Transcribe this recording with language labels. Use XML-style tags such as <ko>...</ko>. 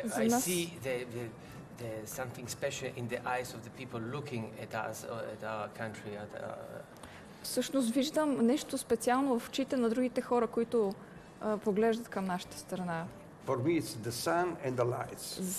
<en>I see the something special in the eyes of the people looking at us at our country.</en> <bg>Всъщност виждам нещо специално в очите на другите хора, които поглеждат към нашата страна.</bg> <en>For me it's the sun and the lights.</en>